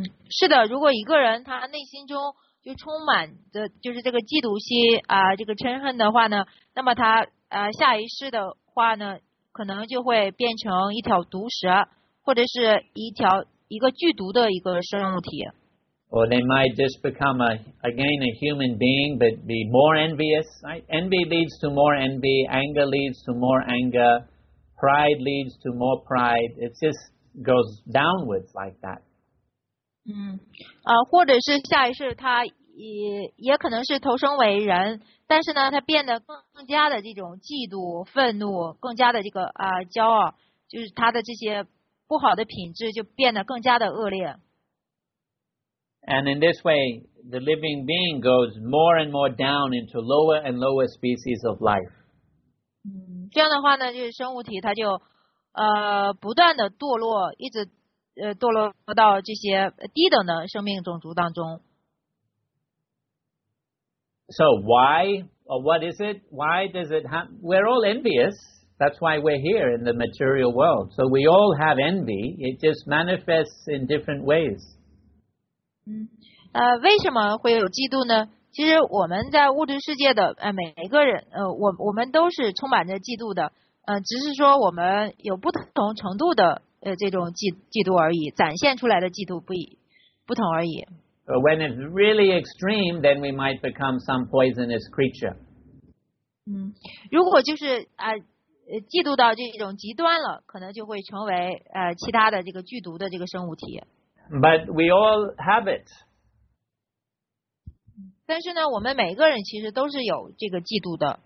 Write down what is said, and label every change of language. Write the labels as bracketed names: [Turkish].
[Chinese] 是的，如果一个人他内心中就充满着就是这个嫉妒心这个嗔恨的话呢，那么他下一世的话呢，可能就会变成一条毒蛇，或者是一个剧毒的一个生物体。 [English] Or they might just become a human being, but be more envious. Envy leads to more envy. Anger leads to more anger. Pride leads to more pride. It just goes downwards like that. [Chinese] 或者是下一世他 也可能是投生为人，但是呢他变得更加的这种嫉妒愤怒，更加的这个骄傲，就是他的这些不好的品质就变得更加的恶劣。 [English] And in this way, the living being goes more and more down into lower and lower species of life. [Chinese] 这样的话呢，就是生物体它就不断的堕落，一直堕落到这些低等的生命种族当中。 [English] So why or what is it? Why does it happen? We're all envious. That's why we're here in the material world. So we all have envy. It just manifests in different ways. [Chinese] 为什么会有嫉妒呢？其实我们在物质世界的每一个人我们都是充满着嫉妒的，只是说我们有不同程度的这种嫉妒而已，展现出来的嫉妒不同而已。 [English] When it's really extreme, then we might become some poisonous creature. [Chinese] 如果就是嫉妒到这种极端了，可能就会成为其他的这个剧毒的这个生物体。 [English] But we all have it. [Chinese] 但是呢，我们每个人其实都是有这个嫉妒的。